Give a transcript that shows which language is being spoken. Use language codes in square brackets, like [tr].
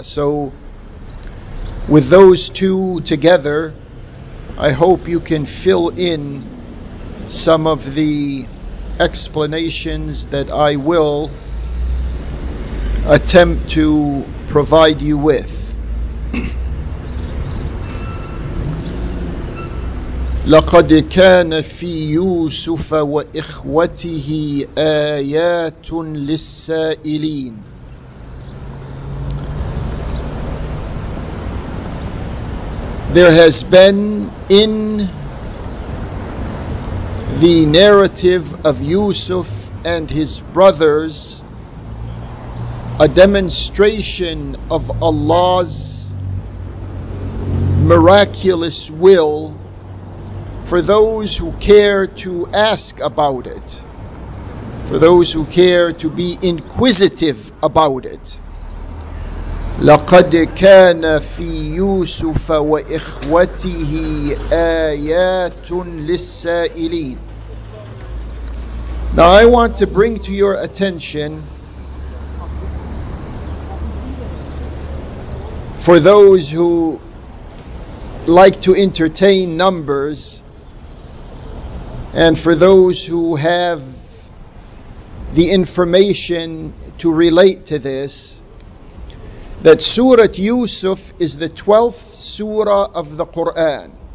[en] So with those two together, I hope you can fill in some of the explanations that I will attempt to provide you with. [ar] لقد كان في يوسف وإخوته آيات للسائلين. [en] There has been in the narrative of Yusuf and his brothers a demonstration of Allah's miraculous will for those who care to ask about it, for those who care to be inquisitive about it. [ar] لقد كان في يوسف وإخوته آيات للسائلين. [en] Now I want to bring to your attention for those who like to entertain numbers, and for those who have the information to relate to this, that Surah Yusuf is the 12th surah of the Quran.